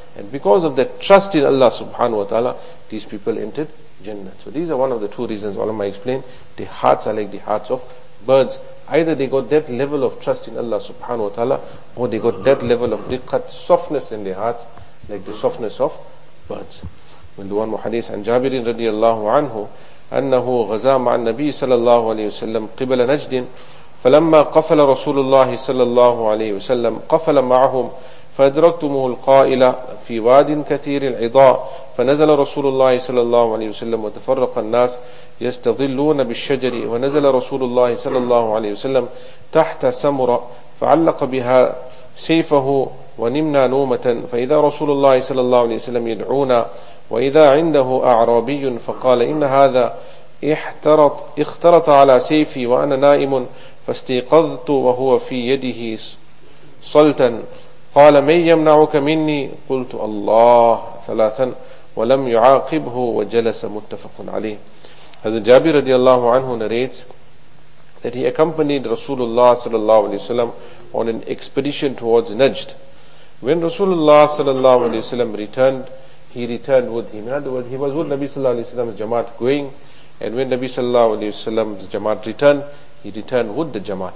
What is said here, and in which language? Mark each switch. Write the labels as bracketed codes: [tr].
[en] And because of that trust in Allah subhanahu wa ta'ala, these people entered Jannah. So these are one of the two reasons ulama explained. Their hearts are like the hearts of birds. Either they got that level of trust in Allah subhanahu wa ta'ala, or they got that level of diqqat, softness in their hearts, like the softness of birds. [ar] من دوان محديث عن جابر رضي الله عنه أنه غزا مع النبي صلى الله عليه وسلم قبل نجد فلما قفل رسول الله صلى الله عليه وسلم قفل معهم فأدركتمه القائل في واد كثير العضاء فنزل رسول الله صلى الله عليه وسلم وتفرق الناس يستظلون بالشجر ونزل رسول الله صلى الله عليه وسلم تحت سمرة فعلق بها سيفه ونمنا نومة فإذا رسول الله صلى الله عليه وسلم يدعونا وإذا عنده أعرابي فقال إن هذا اخترط على سيفي وأنا نائم فاستيقظت وهو في يده صلتا قال من يمنعك مني قلت الله ثلاثا ولم يعاقبه وجلس متفق عليه. هذا جابر رضي الله عنه [en] narrates that he accompanied Rasulullah صلى الله عليه وسلم on an expedition towards Najd. When Rasulullah صلى الله عليه وسلم returned, he returned with him. In other words, he was with Nabi sallallahu alayhi wa sallam's jamaat going, and when Nabi sallallahu alayhi wa sallam's jamaat returned, he returned with the jamaat.